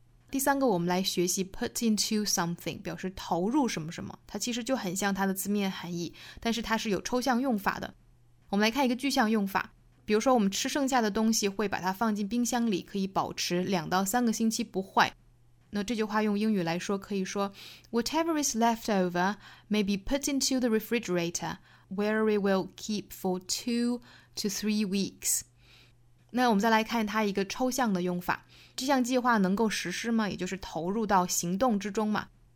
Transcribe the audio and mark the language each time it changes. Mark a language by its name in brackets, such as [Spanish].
[Chinese] 第三个我们来学习 [English] put into something， [Chinese] 表示投入什么什么，它其实就很像它的字面含义，但是它是有抽象用法的。我们来看一个具象用法，比如说我们吃剩下的东西会把它放进冰箱里，可以保持两到三个星期不坏。那这句话用英语来说可以说 [English] Whatever is left over may be put into the refrigerator where it will keep for 2 to 3 weeks。 [Chinese] 那我们再来看它一个抽象的用法，这项计划能够实施吗，也就是投入到行动之中嘛。